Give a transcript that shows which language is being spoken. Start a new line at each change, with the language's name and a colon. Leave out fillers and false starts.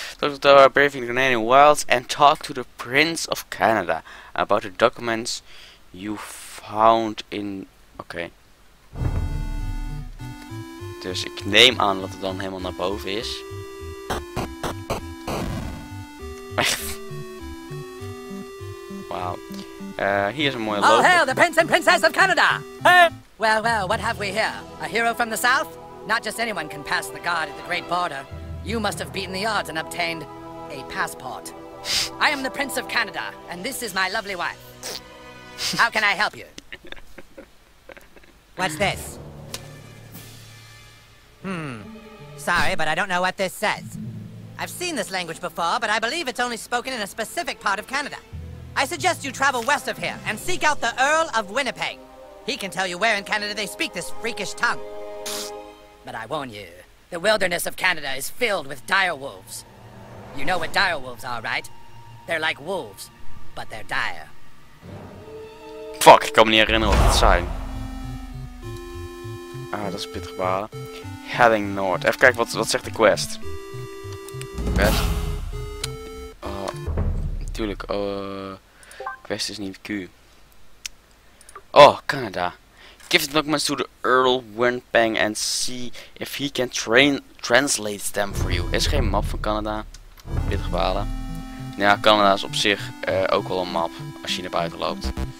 English: Talk to the Braving the Canadian Wilds and talk to the Prince of Canada about the documents you found in. Okay.
Dutch: Dus ik neem aan dat het dan helemaal naar boven is.
English: Wow. Here's a more. All hail the Prince and Princess of Canada! Well, well, what have we here? A hero from the south? Not just anyone can pass the guard at the great border. You must have beaten the odds and obtained a passport. I am the Prince of Canada, and this is my lovely wife. How can I help you? What's this? Sorry, but I don't know what this says. I've seen this language before, but I believe it's only spoken in a specific part of Canada. I suggest you travel west of here and seek out the Earl of Winnipeg. He can tell you where in Canada they speak this freakish tongue. But I warn you, the wilderness of Canada is filled with direwolves. You know what direwolves are, right? They're like wolves, but they're dire.
Dutch: Fuck, ik kan me niet herinneren wat het zijn. Ah, dat is pittig balen.
English: Heading North.
Dutch: Even kijken wat zegt de quest. Quest? Oh, natuurlijk. Quest is niet Q. Oh, Canada.
English: Give the documents to the Earl Wenpeng and see if he can translate them for you.
Dutch: Is geen map van Canada. Pittig balen. Ja, Canada is op zich ook wel een map als je naar buiten loopt.